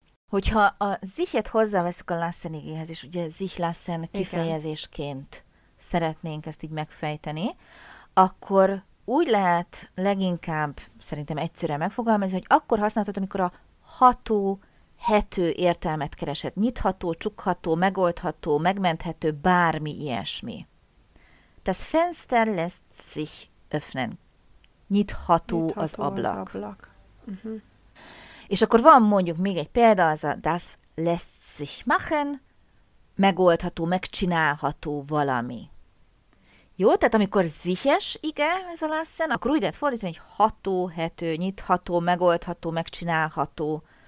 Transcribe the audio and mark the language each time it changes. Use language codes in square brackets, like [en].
[hu] Hogyha a sichet hozzáveszük a lassenigéhez, és ugye sich lassen kifejezésként szeretnénk ezt így megfejteni, akkor úgy lehet leginkább, szerintem egyszerűen megfogalmazni, hogy akkor használhatod, amikor a ható, hető értelmet keresed. Nyitható, csukható, megoldható, megmenthető, bármi ilyesmi. [de] Das Fenster lässt sich öffnen. [hu] Nyitható az ablak. Az ablak. Uh-huh. És akkor van mondjuk még egy példa, az a [de] das lässt sich machen, [hu] megoldható, megcsinálható valami. Jó, tehát amikor sziches, igen, ez a lassen, akkor úgy lehet fordítani, hogy ható, hető, nyitható, megoldható, megcsinálható.